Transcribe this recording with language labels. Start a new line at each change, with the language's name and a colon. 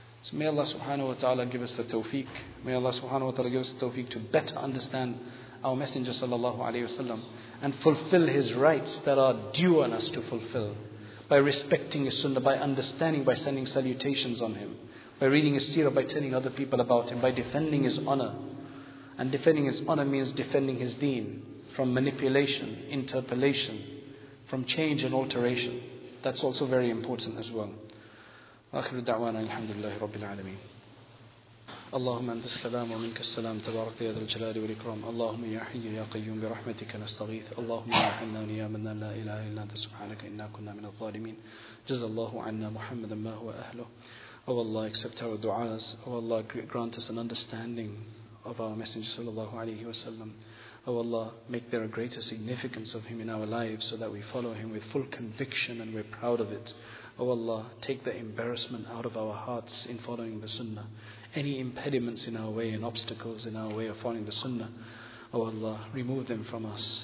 English: So may Allah subhanahu wa ta'ala give us the tawfiq. May Allah subhanahu wa ta'ala give us the tawfiq to better understand our Messenger sallallahu alayhi wa sallam and fulfill his rights that are due on us to fulfill by respecting his sunnah, by understanding, by sending salutations on him, by reading his seerah, by telling other people about him, by defending his honor. And defending his honor means defending his deen from manipulation, interpolation, from change and alteration. That's also very important as well.
Arabic: Akhiru da'wana alhamdulillahi rabbil alameen. اللهم أنت السلام ومنك السلام تبارك يا ذا الجلال والإكرام اللهم يا حي يا قيوم برحمتك نستغيث اللهم ارحمنا ونيامنا لا إله إلا أنت سبحانك إنا كنا من الظالمين جزا الله عنا محمدا ما هو أهله
English: O Allah, accept our du'as. O Allah, grant us an understanding of our Messenger sallallahu alayhi wa sallam. O Allah, make there a greater significance of him in our lives so that we follow him with full conviction and we're proud of it. O Allah, take the embarrassment out of our hearts in following the sunnah. Any impediments in our way and obstacles in our way of following the sunnah, O Allah, remove them from us.